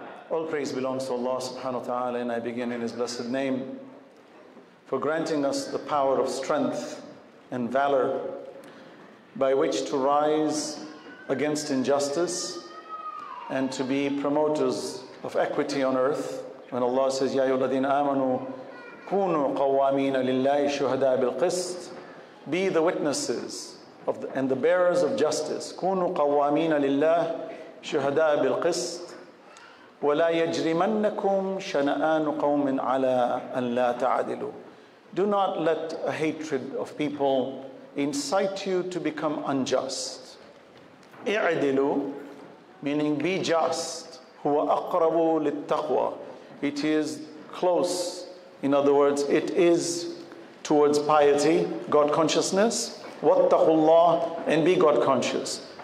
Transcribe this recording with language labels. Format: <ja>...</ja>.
<en>All praise belongs to Allah subhanahu wa ta'ala and I begin in His blessed name for granting us the power of strength and valor by which to rise against injustice and to be promoters of equity on earth. When Allah says,</en> <ar>يَا أَيُّهَا الَّذِينَ آمَنُوا كُونُوا قَوَّامِينَ لِلَّهِ شُهَدَاءَ بِالْقِسْطِ</ar> <en>Be the witnesses of the, and the bearers of justice.</en> <ar>كُونُوا قَوَّامِينَ لِلَّهِ شُهَدَاءَ بِالْقِسْطِ وَلَا يَجْرِمَنَّكُمْ شَنَآنُ قَوْمٍ عَلَىٰ أَنْ لَا تَعَدِلُوا</ar> <en>Do not let a hatred of people incite you to become unjust. اعدلوا, meaning be just.</en> <ar>هو أقرب للتقوى.</ar> <en>It is close. In other words, it is towards piety, God consciousness.</en> <ar>واتقوا الله</ar> <en>and be God conscious.</en>